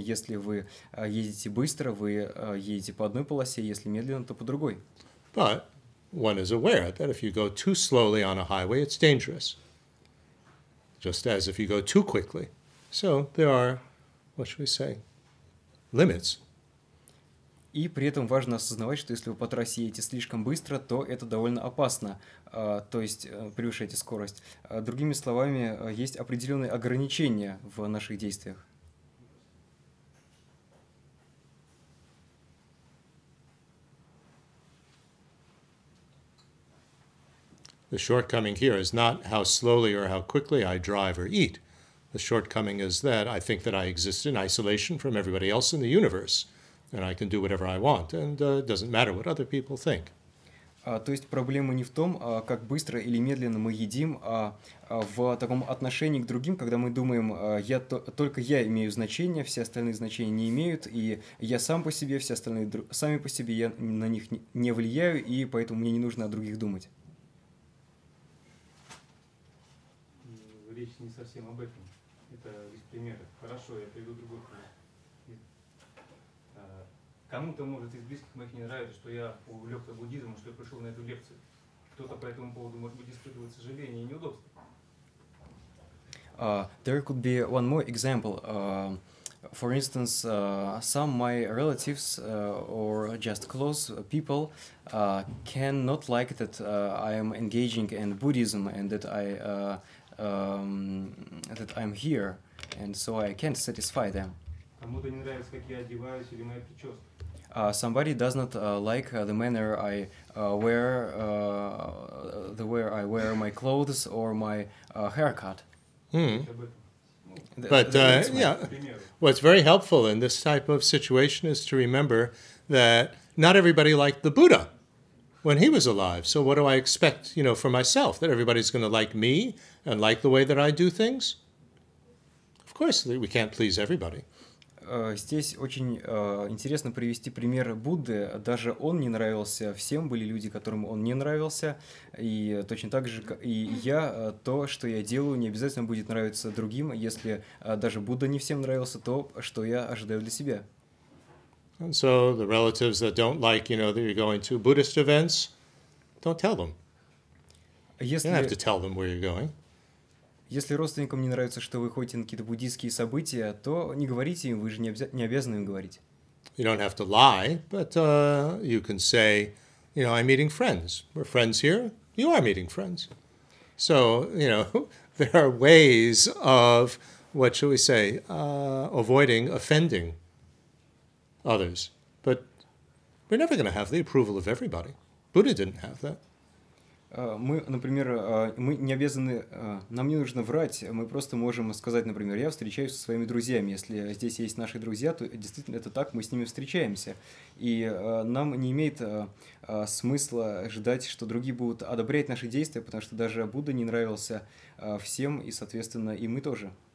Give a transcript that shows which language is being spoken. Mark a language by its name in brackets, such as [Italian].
[Russian] Если вы едете быстро, вы едете по одной полосе, если медленно, то по другой. [English] But one is aware that if you go too slowly on a highway, it's dangerous. Just as if you go too quickly. So there are, what should we say, limits. [Russian] И при этом важно осознавать, что если вы по трассе едете слишком быстро, то это довольно опасно, то есть превышаете скорость. Другими словами, есть определенные ограничения в наших действиях. [English] The shortcoming here is not how slowly or how quickly I drive or eat. The shortcoming is that I think that I exist in isolation from everybody else in the universe, and I can do whatever I want, and it doesn't matter what other people think. [Russian] То есть проблема не в том, как быстро или медленно мы едим, а в таком отношении к другим, когда мы думаем, только я имею значение, все остальные значения не имеют, и я сам по себе, все остальные сами по себе, я на них не влияю, и поэтому мне не нужно о других думать. Речь не совсем об этом. Это из примера. Хорошо, я приведу другой пример. Кому-то, может, из близких моих не нравится, что я увлекся буддизмом, что я пришел на эту лекцию. Кто-то по этому поводу может быть испытывает сожаление и неудобство. [English] There could be one more example. For instance, some my relatives or just close people cannot like that I am engaging in Buddhism and that I that I'm here, and so I can't satisfy them. [Russian] Кому-то не нравится, как я одеваюсь или моя прическа. [English] Somebody does not like the manner I wear, the way I wear my clothes or my haircut. Hmm. But yeah, what's very helpful in this type of situation is to remember that not everybody liked the Buddha when he was alive. So what do I expect, you know, for myself, that everybody's going to like me and like the way that I do things? Of course, we can't please everybody. [Russian] Здесь очень интересно привести пример Будды. Даже он не нравился всем, были люди, которым он не нравился. И точно так же и я, то, что я делаю, не обязательно будет нравиться другим. Если даже Будда не всем нравился, то что я ожидаю для себя? [English] And so the relatives that don't like, you know, that you're going to Buddhist events, don't tell them. You don't have to tell them where you're going. [Russian] Если родственникам не нравится, что вы ходите на какие-то буддийские события, то не говорите им, вы же не обязаны им говорить. [English] You don't have to lie, but you can say, you know, I'm meeting friends. We're friends here. You are meeting friends. So, you know, there are ways of, what shall we say, avoiding offending others. But we're never going to have the approval of everybody. Buddha didn't have that. [Russian] Мы, например, мы не обязаны, нам не нужно врать, мы просто можем сказать, например, я встречаюсь со своими друзьями, если здесь есть наши друзья, то действительно это так, мы с ними встречаемся, и нам не имеет смысла ждать, что другие будут одобрять наши действия, потому что даже Будда не нравился всем, и, соответственно, и мы тоже.